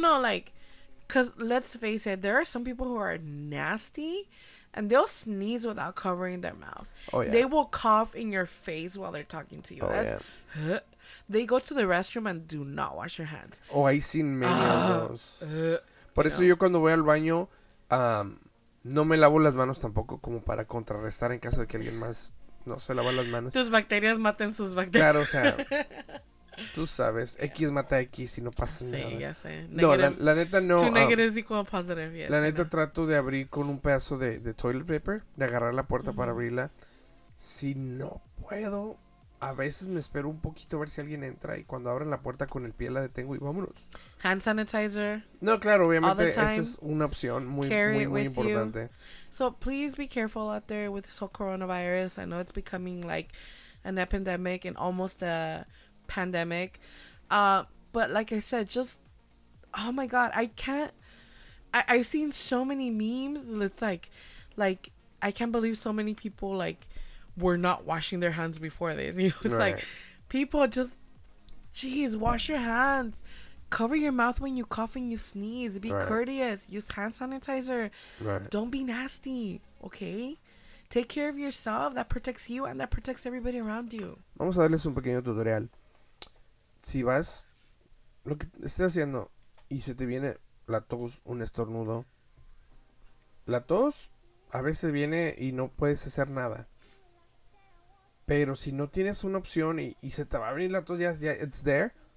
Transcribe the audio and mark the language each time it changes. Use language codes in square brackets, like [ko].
[en] No, like, because let's face it, there are some people who are nasty. And they'll sneeze without covering their mouth. Oh, yeah. They will cough in your face while they're talking to you. Oh, yeah. They go to the restroom and do not wash your hands. [es] Oh, ahí sin menos. Por eso yo cuando voy al baño, no me lavo las manos tampoco, como para contrarrestar en caso de que alguien más no se lava las manos. Tus bacterias maten sus bacterias. Claro, o sea, Tú sabes, X mata X y no pasa nada. Sí, ya sé. [en] Negative, [es] no, la neta no. [en] Two negatives equal positive, yes. [es] La neta no. Trato de abrir con un pedazo de toilet paper, de agarrar la puerta para abrirla. Si no puedo, a veces me espero un poquito a ver si alguien entra y cuando abren la puerta con el pie la detengo y vámonos. [en] Hand sanitizer. [es] No, claro, obviamente esa es una opción muy, muy, muy importante. [en] So please be careful out there with this whole coronavirus. I know it's becoming like an epidemic and almost a pandemic. But like I said, just, oh my God, I can't, I've seen so many memes. It's like, I can't believe so many people like, were not washing their hands before this. You know, it's right. Like, people just, geez, wash your hands. Cover your mouth when you cough and you sneeze. Be right. Courteous. Use hand sanitizer. Right. Don't be nasty, okay? Take care of yourself. That protects you and that protects everybody around you. [es] Vamos a darles un pequeño tutorial. Si vas, lo que estés haciendo y se te viene la tos, un estornudo. La tos a veces viene y no puedes hacer nada. Pero si no tienes una opción y se te va a venir la tos, ya, [en] it's there.